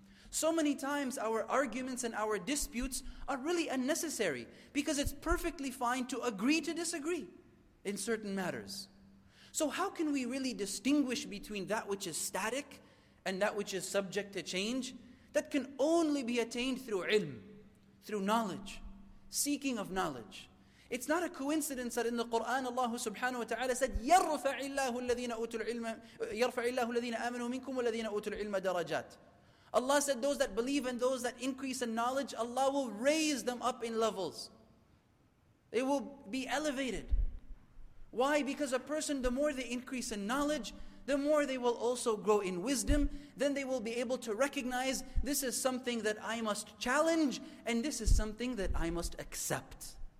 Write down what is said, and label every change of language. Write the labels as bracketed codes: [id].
[en] So many times our arguments and our disputes are really unnecessary, because it's perfectly fine to agree to disagree in certain matters. So how can we really distinguish between that which is static and that which is subject to change? That can only be attained through ilm, through knowledge, seeking of knowledge. It's not a coincidence that in the Quran Allah subhanahu wa ta'ala said, [ar] يَرْفَعِ اللَّهُ الَّذِينَ أُوتُوا الْعِلْمَ يَرْفَعِ اللَّهُ الَّذِينَ آمَنُوا مِنْكُمْ وَالَّذِينَ أُوتُوا الْعِلْمَ دَرَجَاتٍ. [en] Allah said, those that believe and those that increase in knowledge, Allah will raise them up in levels. They will be elevated. Why? Because a person, the more they increase in knowledge, the more they will also grow in wisdom. Then they will be able to recognize, this is something that I must challenge, and this is something that I must accept.